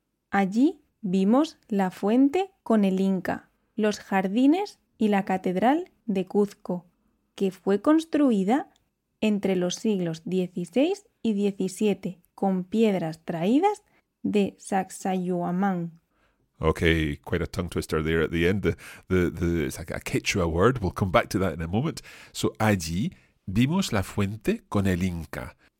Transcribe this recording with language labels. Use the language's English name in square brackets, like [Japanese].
[Spanish] Allí vimos la fuente con el Inca, los jardines y la catedral de Cuzco, que fue construida entre los siglos XVI y XVII con piedras traídas de Sacsayhuamán. [English] Okay, quite a tongue twister there at the end. It's like a Quechua word. We'll come back to that in a moment. [Spanish] So allí vimos la fuente con el Inca.